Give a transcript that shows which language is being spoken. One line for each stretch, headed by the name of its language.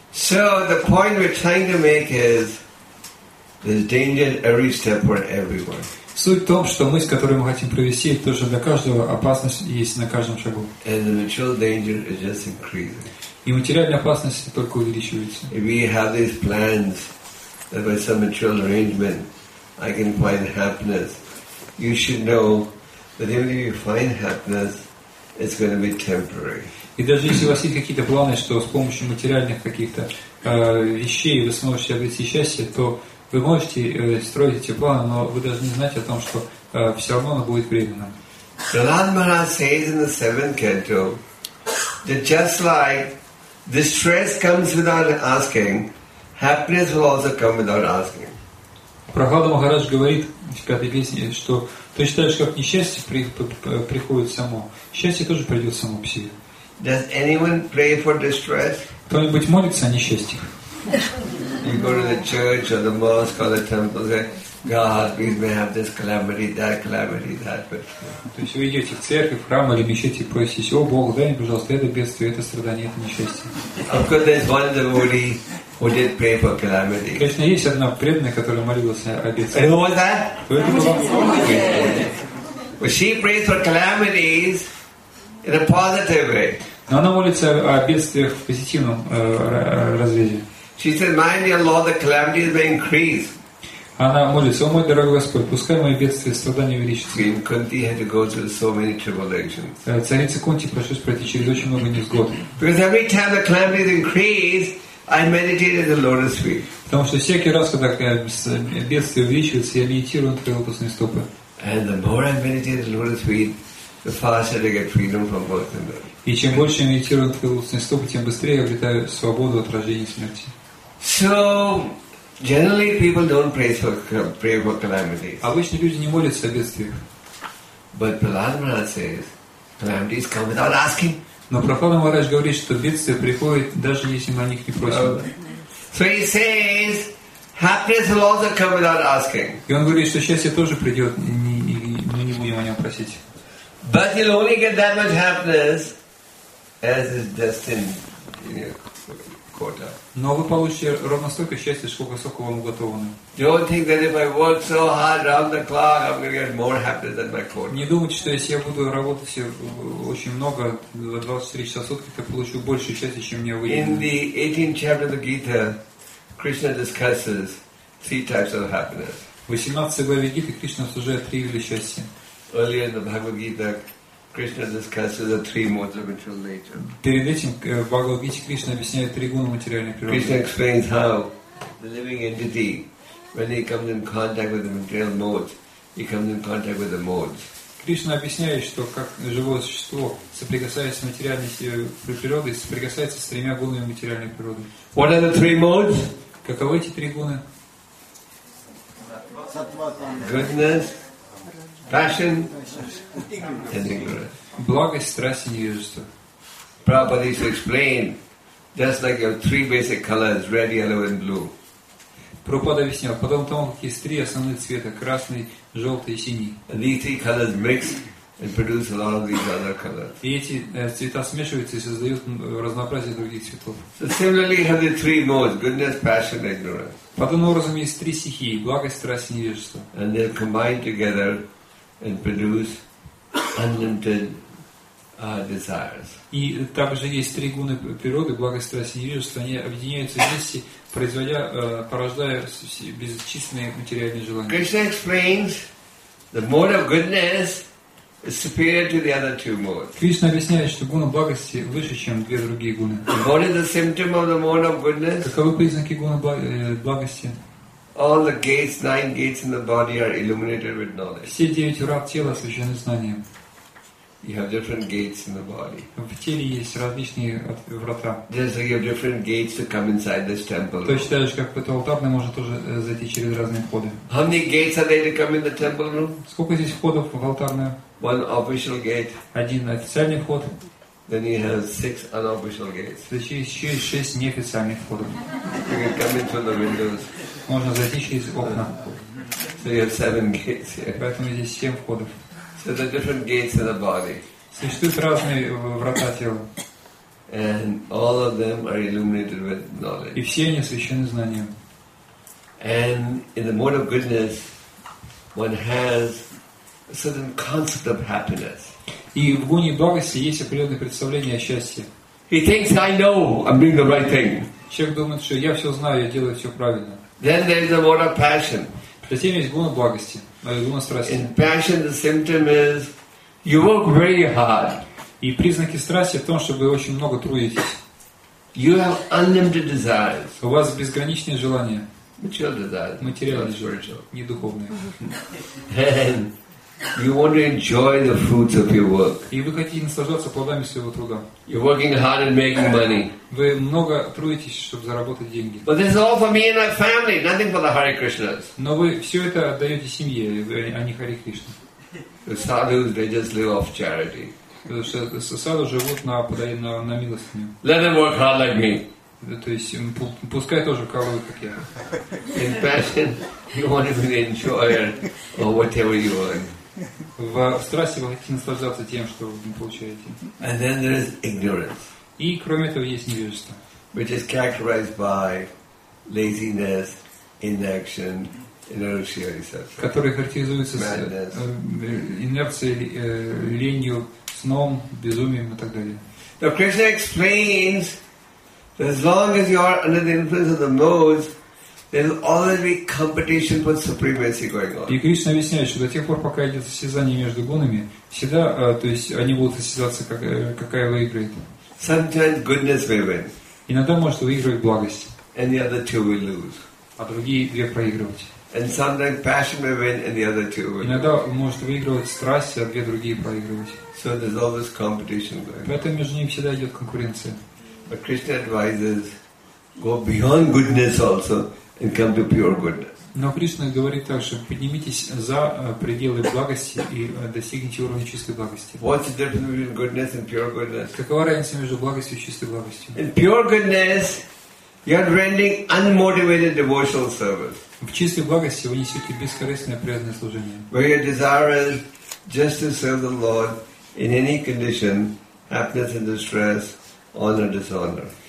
English: So the point we're trying to make is there's danger at every step or everywhere.
Russian: Суть в том, что мысль, которую мы хотим провести, это тоже для каждого опасность есть на каждом шагу.
English: And the material danger is just increasing.
Russian: И материальная опасность только увеличивается.
English: If we have these plans that by some material arrangement I can find happiness, you should know that even if you find happiness, it's going to be temporary.
Russian: И даже если у вас есть какие-то планы, что с помощью материальных каких-то вещей вы сможете обрести счастье, то вы можете строить эти планы, но вы должны знать о том, что все равно оно будет временным.
English: Prahlad Maharaj says in the seventh canto that just like distress comes without asking, happiness will also come without asking.
Russian: Прохлада Махарадж говорит в пятой песне, что ты считаешь, как несчастье приходит само, счастье тоже придет само по себе.
English: Does anyone pray for distress?
Russian: Кто-нибудь молится о несчастьях?
English: You go to the church or the mosque or the temple, say, God, please may have this calamity, that, but.
Russian: То есть вы идете в церковь, в храм или мечеть и просите: О Бог, дай мне, пожалуйста, это бедствие, это страдание, это несчастье.
English: Of course, there's one devotee who did pray for calamity.
Russian: Конечно, есть одна преданная, которая молилась о бедствии.
English: And who was that? Well, she prays for calamities in a positive way.
Russian: Но она молится о бедствиях в позитивном разрезе.
English: She said, "My dear Lord, the calamities may increase."
Russian: Она молится: О мой дорогой Господь, пускай мои бедствия и страдания увеличатся.
English: Кунти had to go through so many tribulations.
Russian: Царица Кунти пришлось пройти через очень много невзгод.
English: Because every time the calamities increase, I meditate at the lotus feet.
Russian: Потому что всякий раз, когда бедствия увеличиваются, я медитирую на твои лотосные стопы.
English: And the more I meditate at the lotus feet, the faster I get freedom from both of them.
Russian: И чем больше я медитирую на твои лотосные стопы, тем быстрее я обретаю свободу от рождения и смерти.
English: So, generally people don't pray for calamities.
Russian: Обычно люди не молятся о бедствиях.
English: But Prahlad Maharaj says, calamities come without asking.
Russian: Но Прохлада Махарадж говорит, что бедствия приходят, даже если мы о них не просим.
English: So he says, happiness will also come without asking.
Russian: И он говорит, что счастье тоже придет, мы не будем о нем просить.
English: But he'll only get that much happiness as is destined in your quota.
Russian: Но вы получите ровно столько счастья, сколько вам уготовано.
English: Don't think that if I work so hard round the clock, I'm going to get more happiness than my quota.
Russian: Не думайте, что если я буду работать очень много, 24 часа в сутки, то получу больше счастья, чем мне выделено.
English: In the 18th chapter of the Gita, Krishna discusses three types of happiness.
Russian: В 18 главе Гиты Кришна обсуждает три вида счастья.
English: Earlier in the Bhagavad Gita, Krishna discusses the three modes of material nature.
Russian: Перед этим в Бхагавад Гите Кришна объясняет три гуна материальной природы.
English: Krishna explains how the living entity, when he comes in contact with the material modes, he comes in contact with the modes.
Russian: Кришна объясняет, что как живое существо соприкасается с материальной природой, соприкасается с тремя гунами материальной природы.
English: What are the three modes?
Russian: Каковы эти три гуны?
English: Goodness, passion and ignorance.
Russian: Благость, страсть и невежество.
English: Prabhupada used to explain, just like your three basic colors, red, yellow and blue.
Russian: Прабхупада объяснял, потом там есть три основных цвета, красный, желтый и синий.
English: These three colors mix and produce a lot of these other colors.
Russian: И эти цвета смешиваются и создают разнообразие других цветов.
English: So similarly, you have the three modes, goodness, passion and ignorance.
Russian: Подобным образом есть три стихии, благость, страсть и невежество.
English: And they combine together and produce unlimited desires.
Russian: И также есть три гуны природы, благость, страсть и невежество. Они объединяются вместе, порождая бесчисленные материальные желания.
English: Krishna explains the mode of goodness is superior to the other two modes.
Russian: Кришна объясняет, что гуна благости выше, чем две другие гуны.
English: What is the symptom of the mode of goodness?
Russian: Каковы признаки гуны благости?
English: All the gates, nine gates in the body are illuminated with knowledge.
Russian: Все девять врат тела освещены знанием.
English: You have different gates in the body.
Russian: В теле есть различные врата.
English: Just like you have different gates to come inside this temple.
Russian: То есть так же, как в этот алтарь, может тоже зайти через разные входы.
English: How many gates are there to come in the temple room?
Russian: Сколько здесь входов в алтарное?
English: One official gate.
Russian: Один официальный вход.
English: Then you have six unofficial gates.
Russian: То есть еще есть 6 неофициальных входов.
English: You can come in through the windows.
Russian: Можно зайти через окна.
English: So you have 7 gates here.
Russian: Поэтому здесь 7 входов.
English: So the different gates of the body.
Russian: Существуют разные врата тела.
English: And all of them are illuminated with knowledge.
Russian: И все они освещены знанием.
English: And in the mode of goodness, one has a certain concept of happiness.
Russian: И в гуне благости есть определенное представление о счастье.
English: He thinks, I know, I'm doing the right thing.
Russian: Человек думает, что я все знаю, я делаю все правильно.
English: Then there is the mode of passion.
Russian: Затем есть гуна благости.
English: In passion, the symptom is you work very hard.
Russian: И признаки страсти в том, что вы очень много трудитесь.
English: You have unlimited desires.
Russian: У вас безграничные желания.
English: Material desires.
Russian: Материальные желания. Не духовные.
English: And you want to enjoy the fruits of your work.
Russian: И вы хотите наслаждаться плодами своего труда.
English: You're working hard and making money.
Russian: Вы много трудитесь, чтобы заработать деньги.
English: But this is all for me and my family, nothing for the Hare Krishnas.
Russian: Но вы все это отдаете семье, а не Харе Кришне.
English: The sadhus, they just live off charity.
Russian: Садху живут на милостыню.
English: Let them work hard like me.
Russian: То есть пускай тоже коровы, как я.
English: In passion, you want to be the enjoyer of whatever you earn.
Russian: В страсти вы хотите наслаждаться тем, что вы получаете.
English: And then there is ignorance.
Russian: И кроме этого есть невежество.
English: Which is characterized by laziness, inaction, inertia, etc.
Russian: Которые характеризуются с инерцией, ленью, сном, безумием и так далее.
English: Now Krishna explains that as long as you are under the influence of the modes, there will always be competition for supremacy going on.
Russian: И Кришна объясняет, что до тех пор, пока идет состязание между гунами, всегда, то есть, они будут состязаться, какая выиграет.
English: Sometimes goodness may win.
Russian: Иногда может выигрывать благость.
English: And the other two will lose.
Russian: А другие две проигрывать.
English: And sometimes passion may win, and the other two will lose.
Russian: Иногда может выигрывать страсть, а две другие проигрывать.
English: So there's always competition going on.
Russian: Поэтому между ними всегда идет конкуренция.
English: But Krishna advises, go beyond goodness also. And come to pure goodness.
Russian: Но Кришна говорит так, что поднимитесь за пределы благости и достигните уровня чистой благости.
English: What's the difference between goodness and pure goodness?
Russian: Какова разница между благостью и чистой благостью?
English: In pure goodness, you are rendering unmotivated devotional service.
Russian: В чистой благости вы несете бескорыстное преданное служение.
English: Where your desire is just to serve the Lord in any condition, happiness and distress, honor, dishonor.